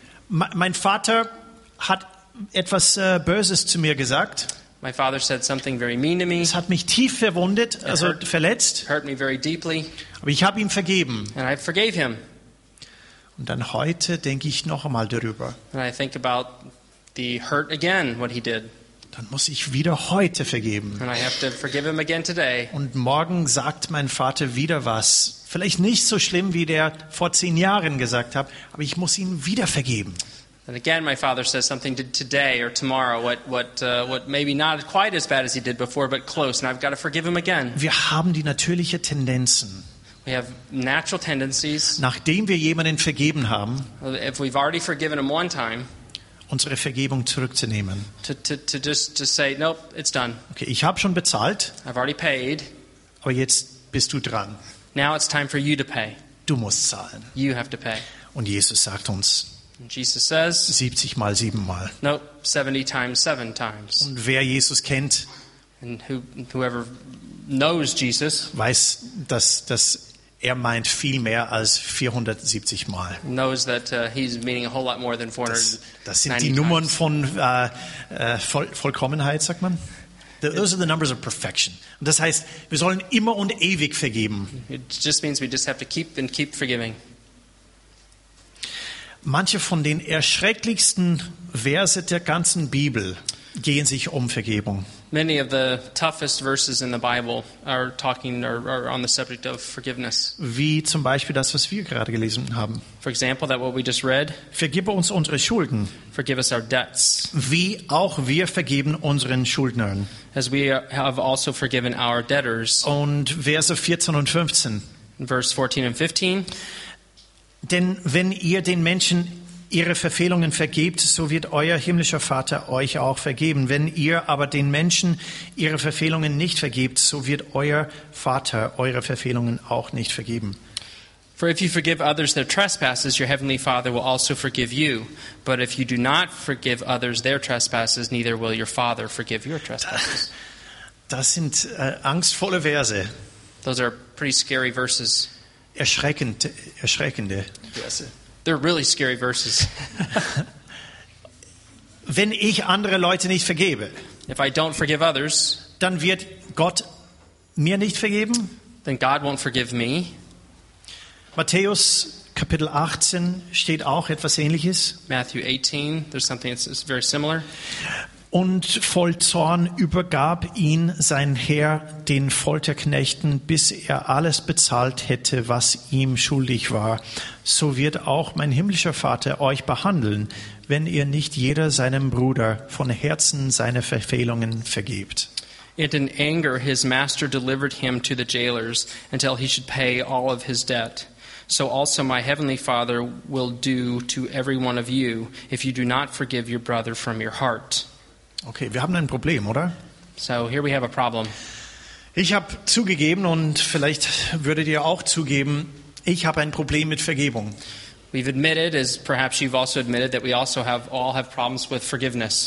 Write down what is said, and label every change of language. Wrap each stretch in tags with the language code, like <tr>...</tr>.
<de>Mein Vater hat etwas Böses zu mir gesagt.</de> <en>My father said something very mean to me.</en> <de>Es hat mich tief verwundet, also verletzt.</de> <en>Hurt me very deeply.</en> <de>Aber ich habe ihm vergeben.</de> <en>And I forgave him.</en> <de>Und dann heute denke ich noch einmal darüber.</de> <en>And I think about the hurt again, what he did.</en> <de>Dann muss ich wieder heute vergeben.</de> <en>And I have to forgive him again today.</en> <de>Und morgen sagt mein Vater wieder was. Vielleicht nicht so schlimm, wie der vor 10 Jahren gesagt hat, aber ich muss ihn wieder vergeben.</de> <en>And again, my father says something today or tomorrow, what maybe not quite as bad as he did before, but close, and I've got to forgive him again.</en> <de>Wir haben die natürliche Tendenzen.</de> <en>We have natural tendencies.</en> <de>Nachdem wir jemanden vergeben haben,</de> <en>if we've already forgiven him one time,</en> <de>unsere Vergebung zurückzunehmen.</de> <en>To say, nope, it's done.</en> <de>Okay, ich habe schon bezahlt.</de> <en>I've already paid.</en> <de>Aber jetzt bist du dran.</de> <en>Now it's time for you to pay.</en> <de>Du musst zahlen.</de> <en>You have to pay.</en> <de>Und Jesus sagt uns,</de> <en>Jesus says,</en> <de>70 mal 7 mal.</de> <en>Nope, 70 times 7 times.</en> <de>Und wer Jesus kennt,</de> <en>and whoever knows Jesus,</en> <de>weiß, dass er meint viel mehr als 470 mal.</de> <en>Knows that he's meaning a whole lot more than 490.</en> <de>Das sind die Nummern von Vollkommenheit, sagt man.</de> <en>Those are the numbers of perfection.</en> <de>Und das heißt, wir sollen immer und ewig vergeben.</de> <en>It just means we just have to keep and keep forgiving.</en> <de>Manche von den erschrecklichsten Verse der ganzen Bibel gehen sich um Vergebung.</de> <en>Many of the toughest verses in the Bible are talking or on the subject of forgiveness.</en> <de>Wie zum Beispiel das, was wir gerade gelesen haben.</de> <en>For example, that what we just read.</en> <de>Vergib uns unsere Schulden.</de> <en>Forgive us our debts.</en> <de>Wie auch wir vergeben unseren Schuldnern.</de> <en>As we have also forgiven our debtors.</en> <de>Und Verse 14 und 15.</de> <en>Verse 14 and 15.</en> <de>Denn wenn ihr den Menschen ihre Verfehlungen vergebt, so wird euer himmlischer Vater euch auch vergeben. Wenn ihr aber den Menschen ihre Verfehlungen nicht vergebt, so wird euer Vater eure Verfehlungen auch nicht vergeben.</de> <en>For if you forgive others their trespasses, your heavenly Father will also forgive you. But if you do not forgive others their trespasses, neither will your Father forgive your trespasses.</en> <de>Das sind angstvolle Verse.</de> <en>Those are pretty scary verses.</en> <de>Erschreckende Verse.</de> <en>They're really scary verses.</en> <de>Wenn ich andere Leute nicht vergebe,</de> <en>if I don't forgive others,</en> <de>dann wird Gott mir nicht vergeben.</de> <en>Then God won't forgive me.</en> <de>Matthäus Kapitel 18 steht auch etwas Ähnliches.</de> <en>Matthew 18, there's something that's very similar.</en> <de>Und voll Zorn übergab ihn sein Herr den Folterknechten, bis er alles bezahlt hätte, was ihm schuldig war. So wird auch mein himmlischer Vater euch behandeln, wenn ihr nicht jeder seinem Bruder von Herzen seine Verfehlungen vergebt.</de> <en>And in anger his master delivered him to the jailers until he should pay all of his debt. So also my heavenly Father will do to every one of you if you do not forgive your brother from your heart.</en> <de>Okay, wir haben ein Problem, oder?</de> <en>So here we have a problem.</en> <de>Ich habe zugegeben und vielleicht würdet ihr auch zugeben, ich habe ein Problem mit Vergebung.</de> <en>We've admitted, as perhaps you've also admitted, that we also have all have problems with forgiveness.</en>